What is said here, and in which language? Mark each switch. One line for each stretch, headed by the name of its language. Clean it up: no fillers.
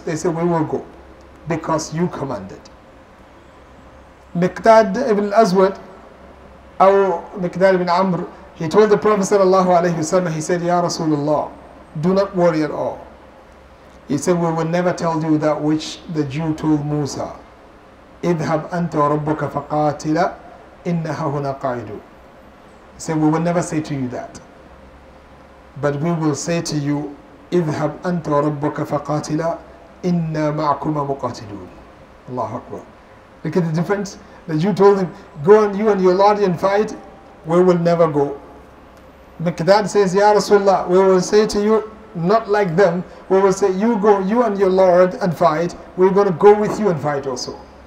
English: They say, we will go because you commanded. Miqdad ibn al-Aswad, or Miqdad ibn Amr, he told the Prophet ﷺ, he said, Ya Rasulullah, do not worry at all. He said, we will never tell you that which the Jew told Musa.
Arabic: اذهب أنت وربك فقاتلا إنها هنا قاعدو.
English: He said, we will never say to you that. But we will say to you,
Arabic: اذهب أنت وربك فقاتلا إنا معكم مقاتلون.
English: Allah Akbar. Look at the difference. The Jew told him, go on you and your Lord and fight, we will never go. Miqdad says, Ya Rasulullah, we will say to you, not like them, we will say, you go, you and your Lord and fight, we're going to go with you and fight also.